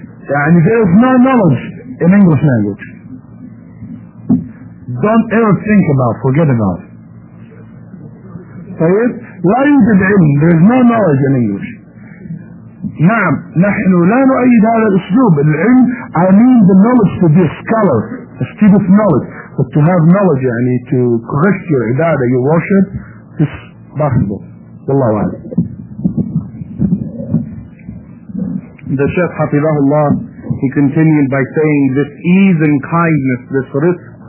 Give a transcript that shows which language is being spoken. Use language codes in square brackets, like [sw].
[en] يعني there is no knowledge in English language. Don't ever think about, forget about. [ar] طيب لا يوجد علم. [en] There is no knowledge in English. [ar] نعم نحن لا نؤيد هذا الأسلوب. [en] العلم I mean the knowledge to be a scholar, a student of knowledge, but to have knowledge يعني to correct your عبادة, your worship, this possible. [ar] والله أعلم. [en] The Shaykh [ar] حفظه الله, [en] he continued by saying this ease and kindness, this risk.